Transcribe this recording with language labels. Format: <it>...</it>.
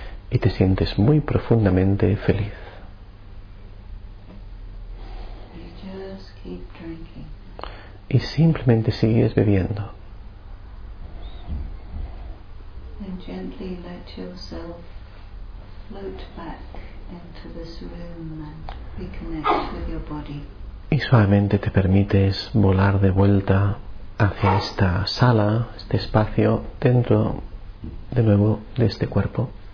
<es>Y te sientes muy profundamente feliz.</es> <en>You just keep drinking.</en> <es>Y simplemente sigues bebiendo.</es> <en>And gently let yourself float back into this room and reconnect with your body.</en> <es>Y suavemente te permites volar de vuelta hacia esta sala, este espacio, dentro de nuevo de este cuerpo.</es>